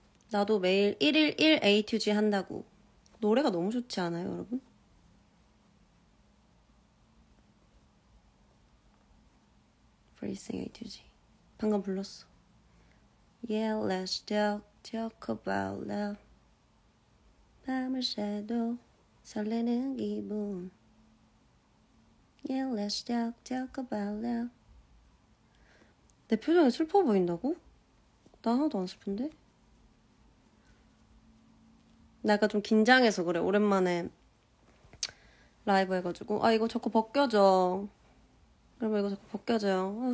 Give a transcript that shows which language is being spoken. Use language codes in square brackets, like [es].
[ko] 나도 매일 1일 1 A to Z 한다고. 노래가 너무 좋지 않아요, 여러분? 프리싱 A2G 방금 불렀어. [en] Yeah, let's talk about love. [ko] 밤을 새도 설레는 기분. [en] Yeah, let's talk about love. [ko] 내 표정이 슬퍼 보인다고? 나 하나도 안 슬픈데? 나 약간 좀 긴장해서 그래. 오랜만에 라이브 해가지고. 아, 이거 자꾸 벗겨져. 여러분, 이거 자꾸 벗겨져요.